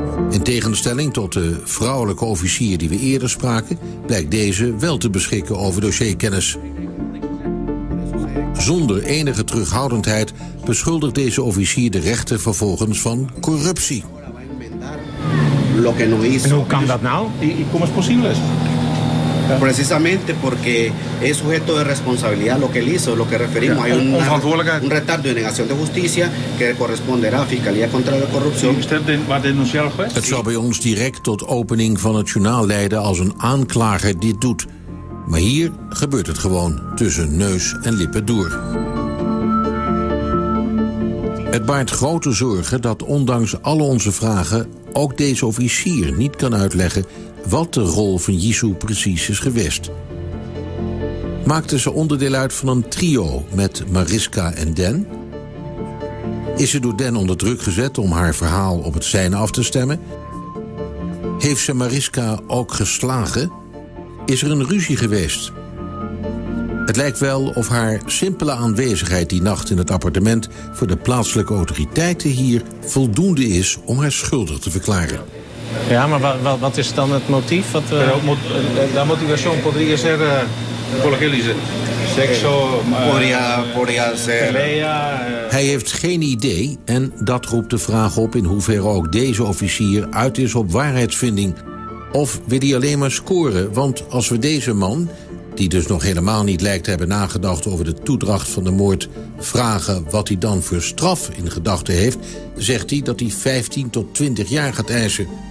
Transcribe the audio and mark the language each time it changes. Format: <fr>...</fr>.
<nl>In tegenstelling tot de vrouwelijke officier die we eerder spraken, blijkt deze wel te beschikken over dossierkennis. Zonder enige terughoudendheid beschuldigt deze officier de rechter vervolgens van corruptie. En hoe kan dat nou? Hoe is het mogelijk?</nl> <es>Precisamente porque es sujeto de responsabilidad lo que él hizo, lo que referimos. Hay un retardo de negación de justicia que corresponderá a Fiscalía contra la Corrupción.</es> <nl>Het zou bij ons direct tot opening van het journaal leiden als een aanklager dit doet. Maar hier gebeurt het gewoon tussen neus en lippen door. Het baart grote zorgen dat ondanks alle onze vragen ook deze officier niet kan uitleggen wat de rol van Yisu precies is geweest. Maakte ze onderdeel uit van een trio met Mariska en Dan? Is ze door Dan onder druk gezet om haar verhaal op het zijne af te stemmen? Heeft ze Mariska ook geslagen? Is er een ruzie geweest? Het lijkt wel of haar simpele aanwezigheid die nacht in het appartement voor de plaatselijke autoriteiten hier voldoende is om haar schuldig te verklaren. Ja, maar wat is dan het motief? Wat we...</nl> <es>La motivación podría ser, por lo que dice, sexo, podría ser...</es> <nl>Hij heeft geen idee en dat roept de vraag op in hoeverre ook deze officier uit is op waarheidsvinding. Of wil hij alleen maar scoren? Want als we deze man, die dus nog helemaal niet lijkt te hebben nagedacht over de toedracht van de moord, vragen wat hij dan voor straf in gedachten heeft, zegt hij dat hij 15 tot 20 jaar gaat eisen.</nl>